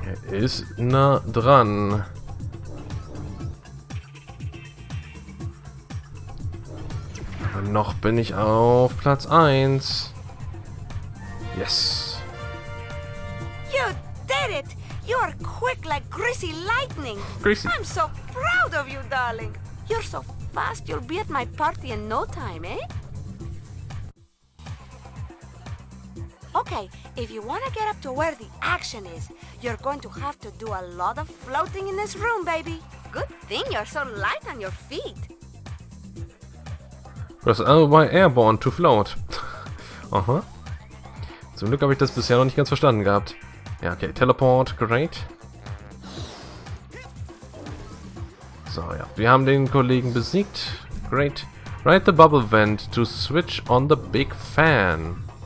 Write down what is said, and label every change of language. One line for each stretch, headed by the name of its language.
German: Er ist nah dran. Und noch bin ich auf Platz 1.
English: Yes. You did it! You are quick like greasy lightning. Greasy. I'm so proud of you, darling. You're so fast, you'll be at my party in no time, eh? Okay, if you want to get up to where the action is, you're going to have to do a lot of floating in this room, baby. Good thing you're so light on your feet. Press L by airborne to float. Aha.
German: Zum Glück habe ich das bisher noch nicht ganz verstanden gehabt. Ja, okay,
English: teleport, great.
German: So, ja. Wir haben den Kollegen besiegt.
English: Great. Ride the bubble vent to switch on the big fan.